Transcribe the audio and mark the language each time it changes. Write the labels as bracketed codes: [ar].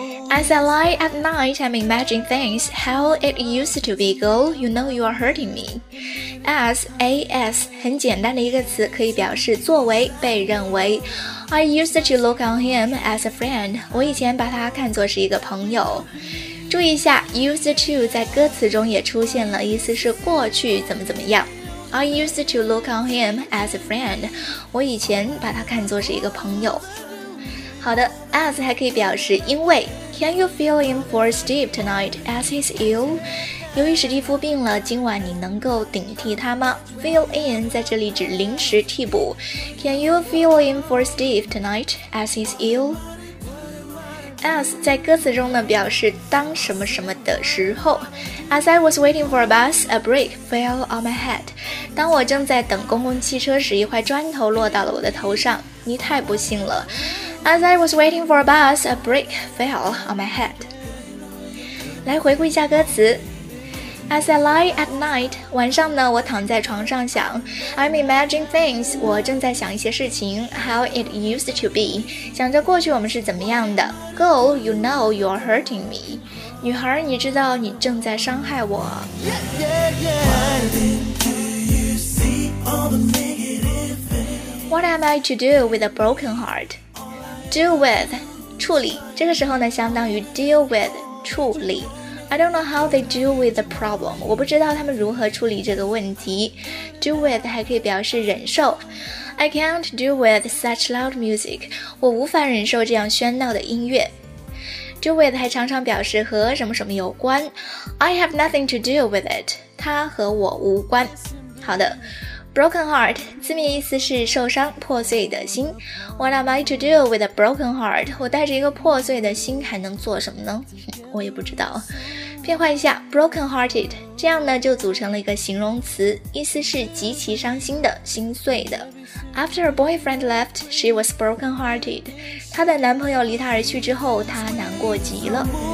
[en] As I lie at night, I'm imagining things how it used to be, girl. You know you are hurting me. [zh] As, 很简单的一个词，可以表示作为、被认为。 [en] I used to look on him as a friend. [zh] 我以前把他看作是一个朋友。注意一下 ，used to 在歌词中也出现了，意思是过去怎么怎么样。 [en] I used to look on him as a friend. [zh] 我以前把他看作是一个朋友。好的 ，as 还可以表示因为。 [en] Can you feel him for Steve tonight as he's ill? [zh] 由于史蒂夫病了，今晚你能够顶替他吗？ Fill in 在这里指临时替补。 [en] Can you feel him for Steve tonight as he's ill? [zh] As 在歌词中呢，表示当什么什么的时候。 [en] As I was waiting for a bus, a brick fell on my head. [zh] 当我正在等公共汽车时，一块砖头落到了我的头上。你太不幸了。 [en] As I was waiting for a bus, a brick fell on my head. [zh] 来回顾一下歌词。 [en] As I lie at night, [zh] 晚上呢，我躺在床上想。 [en] I'm imagining things, [zh] 我正在想一些事情。 [en] How it used to be, [zh] 想着过去我们是怎么样的。 [en] Girl, you know you're hurting me. [zh] 女孩，你知道你正在伤害我。 [en] What am I to do with a broken heart? [zh] Deal with, 处理，这个时候呢相当于 deal with, 处理。 [en] I don't know how they deal with the problem, [zh] 我不知道他们如何处理这个问题。 Deal with 还可以表示忍受。 [en] I can't deal with such loud music, [zh] 我无法忍受这样喧闹的音乐。 Deal with 还常常表示和什么什么有关。 [en] I have nothing to deal with it, [zh] 它和我无关。好的，Broken heart, 字面意思是受伤、破碎的心。 [en] What am I to do with a broken heart? [zh] 我带着一个破碎的心还能做什么呢？我也不知道。变换一下 broken hearted, 这样呢就组成了一个形容词，意思是极其伤心的、心碎的。 [en] After her boyfriend left, she was broken hearted. [zh] 她的男朋友离她而去之后，她难过极了。